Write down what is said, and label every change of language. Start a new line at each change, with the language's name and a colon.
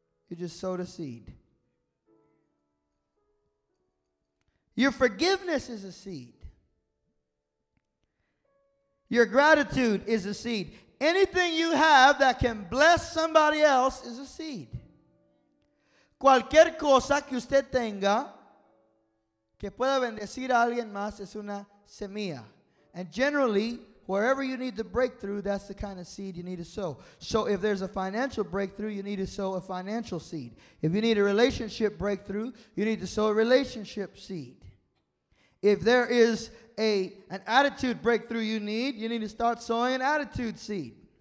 English: You just sowed a seed. Your forgiveness is a seed. Your gratitude is a seed. Anything you have that can bless somebody else is a seed.
Spanish: Cualquier cosa que usted tenga que pueda bendecir a alguien más es una semilla.
English: And generally, wherever you need the breakthrough, that's the kind of seed you need to sow. So if there's a financial breakthrough, you need to sow a financial seed. If you need a relationship breakthrough, you need to sow a relationship seed. If there is an attitude breakthrough you need to start sowing an attitude seed.